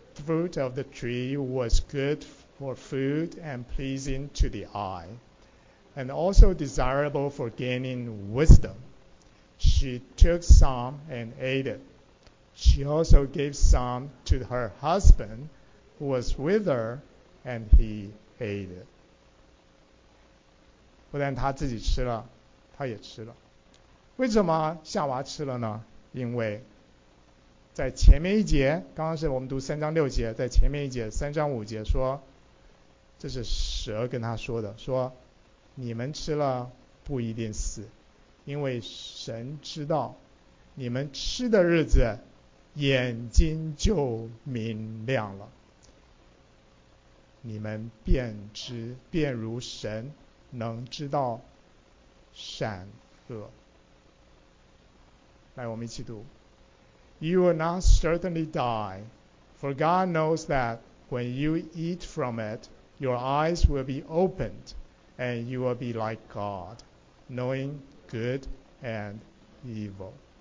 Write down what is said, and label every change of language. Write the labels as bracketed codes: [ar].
[en] fruit of the tree was good for food and pleasing to the eye, and also desirable for gaining wisdom. She took some and ate it. She also gave some to her husband, who was with her, and he ate it. [zh] 不但他自己吃了，他也吃了。为什么夏娃吃了呢？因为在前面一节，刚刚是我们读三章六节，在前面一节三章五节说，这是蛇跟他说的，说你们吃了不一定死，因为神知道你们吃的日子眼睛就明亮了，你们便知，便如神能知道善恶。来，我们一起读。 [en] You will not certainly die, for God knows that when you eat from it, your eyes will be opened, and you will be like God, knowing good and evil.